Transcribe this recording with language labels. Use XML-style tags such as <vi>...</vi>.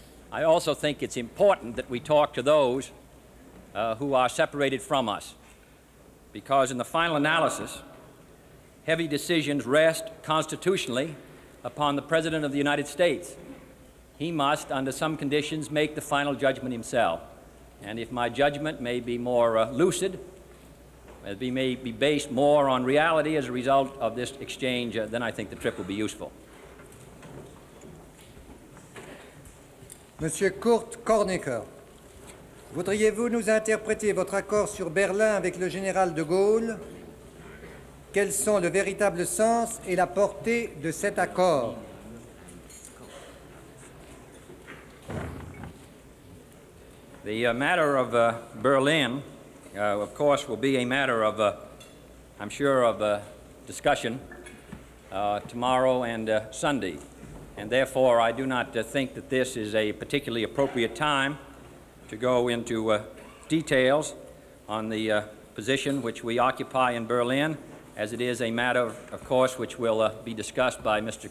<en>I also think it's important that we talk to those who are separated from us, because in the final analysis, heavy decisions rest constitutionally upon the President of the United States. He must, under some conditions, make the final judgment himself. And if my judgment may be more lucid, it may be based more on reality as a result of this exchange, then I think the trip will be useful.</en> <fr>Monsieur Kurt Kornicker, voudriez-vous nous interpréter votre accord sur Berlin avec le général de Gaulle? Quels sont le véritable sens et la portée de cet accord?</fr> <en>The matter of Berlin, of course, will be a matter of, I'm sure, of discussion tomorrow and Sunday. And therefore, I do not think that this is a particularly appropriate time to go into details on the position which we occupy in Berlin, as it is a matter, of course, which will be discussed by Mr.</en>